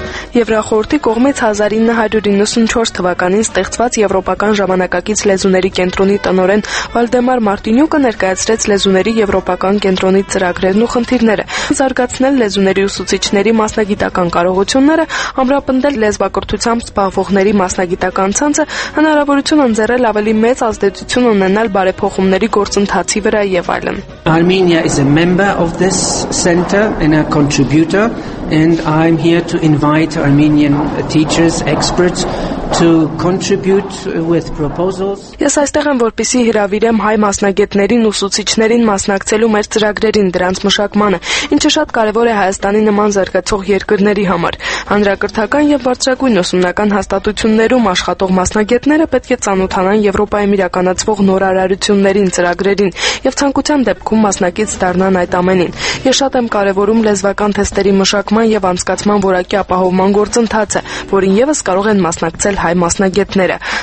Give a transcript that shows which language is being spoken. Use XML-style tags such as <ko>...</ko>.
<hy>Եվրախորհրդի կողմից 1994 թվականին ստեղծված Եվրոպական ժամանակակից լեզուների կենտրոնի տնօրեն Վալդեմար Մարտինյուկը ներկայացրեց լեզուների Եվրոպական կենտրոնի ծրագրերն ու խնդիրները՝ զարգացնել լեզուների ուսուցիչների մասնագիտական կարողությունները, ամրապնդել լեզվակրթությամբ զբաղվողների մասնագիտական ցանցը, հնարավորություն ընձեռել ավելի մեծ ազդեցություն ունենալ բարեփոխումների գործընթացի վրա եւ այլն։</hy> <en>Armenia is a member of this center and a contributor, and I'm here to invite Armenian teachers, experts to contribute with proposals.</en> <hy>Ես այստեղ եմ, որպեսզի հրավիրեմ հայ մասնագետներին ուսուցիչներին մասնակցելու մեր ծրագրերին, դրանց մշակմանը, ինչը շատ կարևոր է Հայաստանի նման զարգացող երկրների համար։ Հանրակրթական և բարձրագույն ուսումնական հաստատություններում աշխատող մասնագետները պետք է ծանոթանան Եվրոպայում իրականացվող նոր արարություններին, ծրագրերին, և ցանկության դեպքում մասնակից դառնան այդ ամենին։ Ես շատ եմ կարևորում լեզվական թեստերի մշակման և անցկացման որակի ապահովման գործընթացը, որին ևս կարող են մասնակցել հայ մասնագետները,</hy>